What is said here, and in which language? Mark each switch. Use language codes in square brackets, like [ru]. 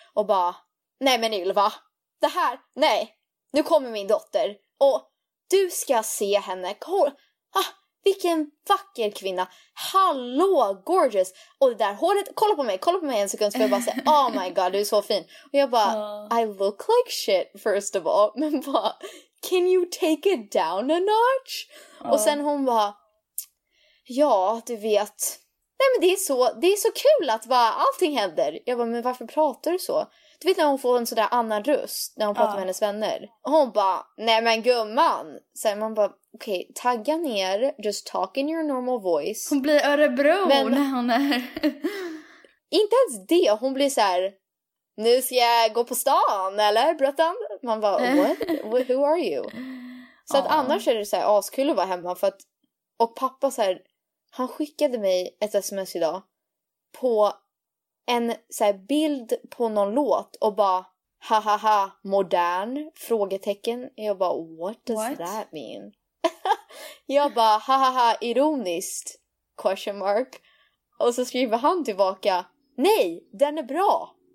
[sv] Och bara, nej men Ylva, det här, nej, nu kommer min dotter. Och du ska se henne, vilken vacker kvinna. Hallå, gorgeous. Och det där håret, kolla på mig en sekund. Så jag bara säga, [en] oh my god, [sv] du är så fin. Och jag bara, [en] I look like shit, first of all. [sv] Men bara... [en] Can you take it down a notch? [sv] Och sen hon bara... Ja, du vet. Nej, men det är så kul att bara allting händer. Jag bara, men varför pratar du så? Du vet när hon får en sådär annan röst när hon pratar med hennes vänner. Och hon bara, nej men gumman. Så man bara, okej, tagga ner. [en] Just talk in your normal voice. [sv] Hon blir Örebro men när hon är... inte ens det. Hon blir så här, nu ska jag gå på stan, eller brötan? Man bara, [en] what? Who are you? [sv] Så att annars är det så här askul att vara hemma. För att, och pappa så här, han skickade mig ett sms idag på en så här bild på någon låt och bara, hahaha, modern, frågetecken. Jag bara, [en] what does that mean? [sv] Jag bara, hahaha, ironiskt, [en] question mark. [sv] Och så skriver han tillbaka, nej, den är bra.